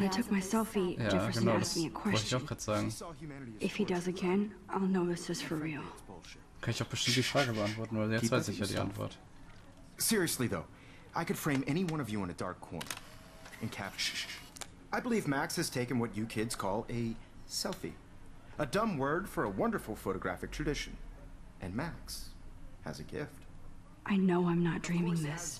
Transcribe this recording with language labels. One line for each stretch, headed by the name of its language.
English: When I took my selfie, Jefferson asked me a question. If he does again, I'll know this is for real.
German: Kann ich auch bestimmt die Frage beantworten, weil jetzt weiß ich ja die Antwort.
English: Seriously though, I could frame any one of you in a dark corner and capture. I believe Max has taken what you kids call a selfie. A dumb word for a wonderful photographic tradition. And Max has a gift. I know I'm not dreaming this.